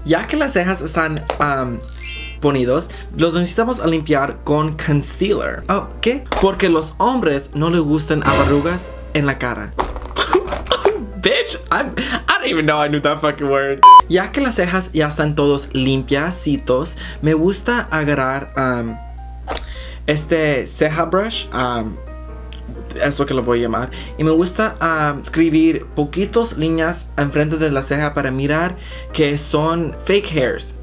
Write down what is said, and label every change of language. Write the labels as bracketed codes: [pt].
[es] Ya que las cejas están ponidos, los necesitamos a limpiar con concealer. Oh, ¿qué? Porque los hombres no les gustan arrugas en la cara. [en] Bitch, I don't even know I knew that fucking word. [es] Ya que las cejas ya están todos limpiacitos, me gusta agarrar este ceja brush, eso que lo voy a llamar, y me gusta escribir poquitos líneas enfrente de la ceja para mirar que son [en] fake hairs.